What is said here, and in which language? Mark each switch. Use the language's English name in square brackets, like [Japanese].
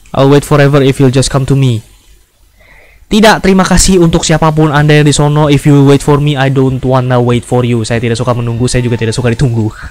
[English] I'll wait forever if you'll just come to me. [Indonesian] Tidak, terima kasih untuk siapapun Anda yang di sono. [English] If you wait for me, I don't wanna wait for you. [Indonesian] Saya tidak suka menunggu, saya juga tidak suka ditunggu.